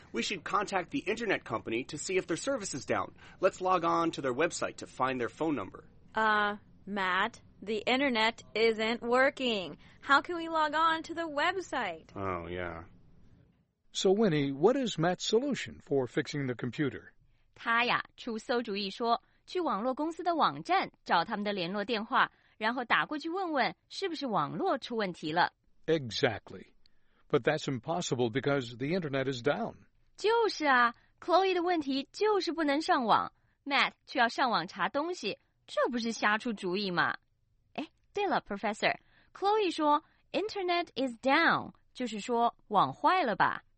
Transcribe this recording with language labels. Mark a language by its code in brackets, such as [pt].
[en] We should contact the internet company to see if their service is down. Let's log on to their website to find their phone number. Matt? The internet isn't working. How can we log on to the website? Oh, yeah. So, Winnie, what is Matt's solution for fixing the computer? [zh] 他呀，出馊主意说，去网络公司的网站找他们的联络电话，然后打过去问问是不是网络出问题了。 [en] Exactly. But that's impossible because the internet is down. [zh] 就是啊，Chloe的问题就是不能上网。 Matt 却要上网查东西，这不是瞎出主意吗？对了 ,Professor, Chloe 说 [en] Internet is down, [zh] 就是说网坏了吧。